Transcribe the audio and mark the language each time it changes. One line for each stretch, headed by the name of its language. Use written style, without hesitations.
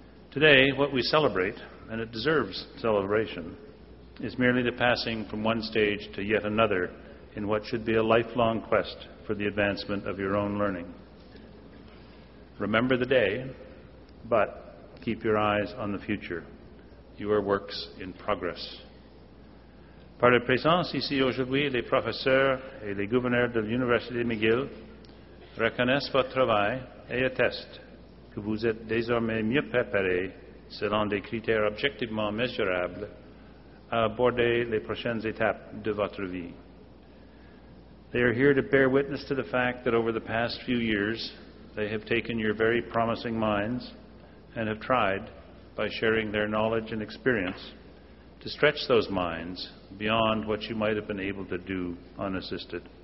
English: Today, what we celebrate, and it deserves celebration, is merely the passing from one stage to yet another in what should be a lifelong quest for the advancement of your own learning. Remember the day, but keep your eyes on the future. You are works in progress.
French: Par la présence ici aujourd'hui, les professeurs et les gouverneurs de l'Université McGill reconnaissent votre travail et attestent que vous êtes désormais mieux préparé selon des critères objectivement mesurables à aborder les prochaines étapes de votre vie.
English: They are here to bear witness to the fact that over the past few years, they have taken your very promising minds and have tried, by sharing their knowledge and experience, to stretch those minds beyond what you might have been able to do unassisted.